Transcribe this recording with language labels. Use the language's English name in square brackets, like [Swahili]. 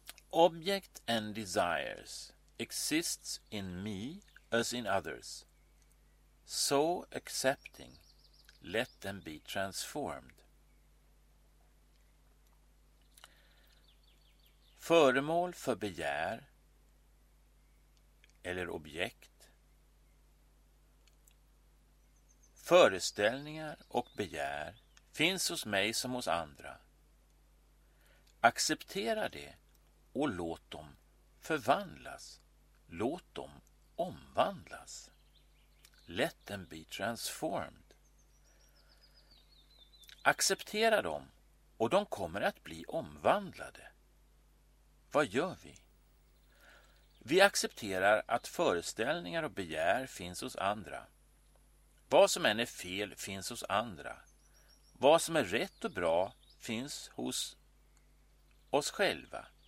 [English] Object and desires exists in me as in others. So accepting, let them be transformed. [Swedish] Föremål för begär eller objekt. Föreställningar och begär finns hos mig som hos andra. Acceptera det. Och låt dem förvandlas. Låt dem omvandlas. [English] Let them be transformed. [Swedish] Acceptera dem och de kommer att bli omvandlade. Vad gör vi? Vi accepterar att föreställningar och begär finns hos andra. Vad som än är fel finns hos andra. Vad som är rätt och bra finns hos oss själva.